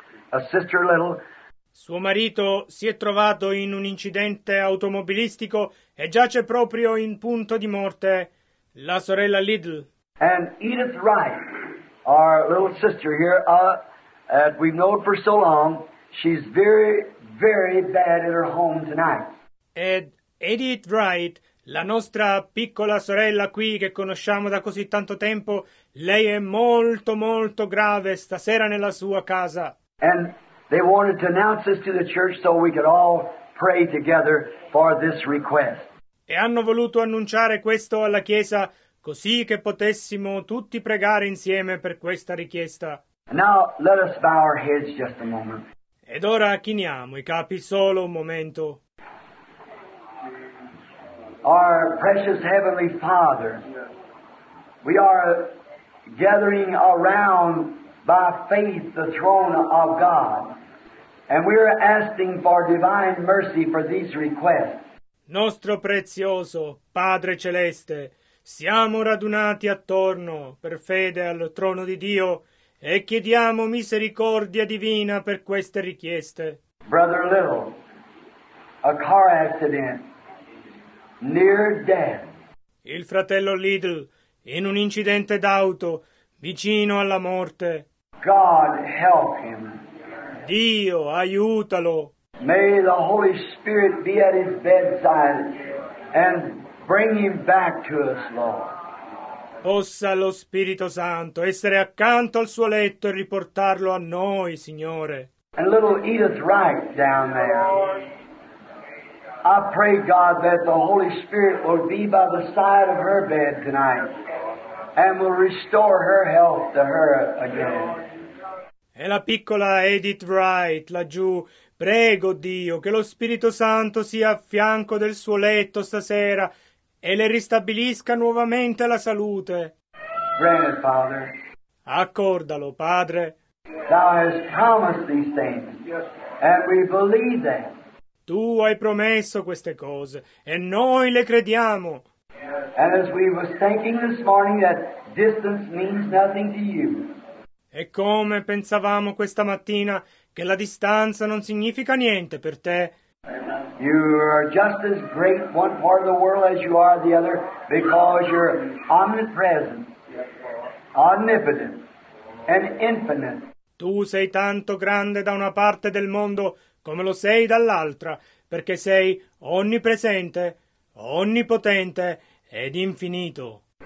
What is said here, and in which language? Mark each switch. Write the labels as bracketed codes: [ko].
[en] A Sister Little. [it] Suo marito si è trovato in un incidente automobilistico e giace proprio in punto di morte, la sorella Little. [en] And Edith Wright, our little sister here, that we've known for so long, she's very, very bad at her home tonight. [it] Ed Edith Wright, la nostra piccola sorella qui che conosciamo da così tanto tempo, lei è molto, molto grave stasera nella sua casa. [en] And they wanted to announce this to the church so we could all pray together for this request. [it] E hanno voluto annunciare questo alla chiesa così che potessimo tutti pregare insieme per questa richiesta. [en] Now let us bow our heads just a moment. [it] Ed ora chiniamo i capi solo un momento. [en] Our precious Heavenly Father, we are gathering around by faith the throne of God. And we are asking for divine mercy for these requests. [it] Nostro prezioso Padre Celeste, siamo radunati attorno per fede al trono di Dio e chiediamo misericordia divina per queste richieste. [en] Brother Little, a car accident near death. [it] Il fratello Little, in un incidente d'auto vicino alla morte. [en] God help him. [it] Dio, aiutalo. [en] May the Holy Spirit be at his bedside and bring him back to us, Lord. [it] Possa lo Spirito Santo essere accanto al suo letto e riportarlo a noi, Signore. [en] And little Edith Wright down there. I pray, God, that the Holy Spirit will be by the side of her bed tonight and will restore her health to her again. [it] E la piccola Edith Wright, laggiù, prego Dio che lo Spirito Santo sia a fianco del suo letto stasera e le ristabilisca nuovamente la salute. [en] Grant, Father. [it] Accordalo, Padre. [en] Thou hast promised these things, and we believe them. [it] Tu hai promesso queste cose, e noi le crediamo. [en] And as we were thinking this morning that distance means nothing to you. [it] E come pensavamo questa mattina che la distanza non significa niente per te. [en] You are just as great one part of the world as you are the other because you're omnipresent, omnipotent, and infinite. [it] Tu sei tanto grande da una parte del mondo come lo sei dall'altra perché sei onnipresente, onnipotente ed infinito.